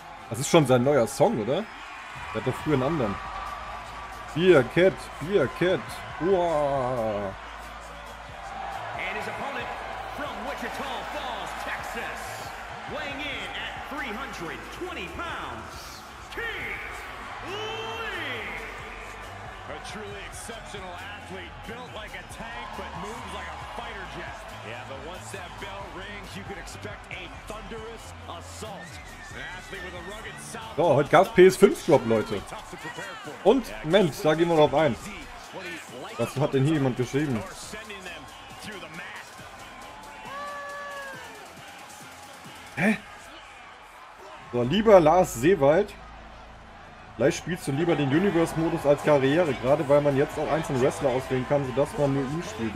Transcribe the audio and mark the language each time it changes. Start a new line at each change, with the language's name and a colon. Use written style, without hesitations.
German: Das ist schon sein neuer Song, oder? Der hat doch früher einen anderen.
English: Beer Cat, Beer Cat. And his opponent from Wichita Falls, Texas, weighing in at 320 pounds, Keith Lee. A truly exceptional athlete, built like a tank, but moves like a fighter jet. Yeah, but once that bell rings, you can expect a thunderous assault.
German: So, heute gab es PS5-Drop, Leute. Und, Mensch, da gehen wir drauf ein. Was hat denn hier jemand geschrieben? Hä? So, lieber Lars Seewald. Vielleicht spielst du lieber den Universe-Modus als Karriere, gerade weil man jetzt auch einzelne Wrestler auswählen kann, sodass man nur ihn spielt.